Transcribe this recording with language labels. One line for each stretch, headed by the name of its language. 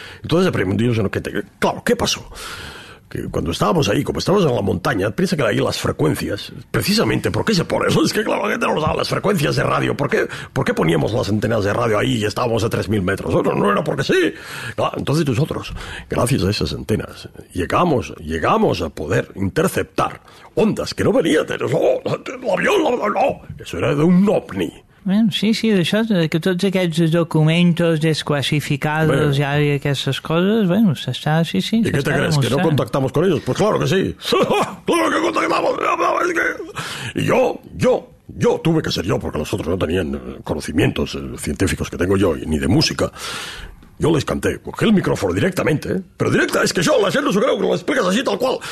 Spanish: Entonces, el primer día, claro, ¿qué pasó? Que cuando estábamos ahí, como estábamos en la montaña, piensa que ahí las frecuencias, precisamente, ¿por qué se pone eso? Es que, claro, ¿qué tenemos las frecuencias de radio? ¿Por qué poníamos las antenas de radio ahí y estábamos a 3.000 metros? No era porque sí. Claro, entonces nosotros, gracias a esas antenas, llegamos a poder interceptar ondas que no venían de el avión. Eso era de un ovni.
Catalan: Sí, sí, d'això, que tots aquests documentos desclassificados i aquestes coses, bueno, s'està, sí, sí.
Spanish: I què te crees, que no contactamos con ellos? Pues claro que sí. Claro que contactamos. Es que... Y yo tuve que ser yo, porque los otros no tenían conocimientos científicos que tengo yo, ni de música. Yo les canté, cogí el micrófono directamente, pero directa, es que yo, la gente no se creo que lo explicas así, tal cual.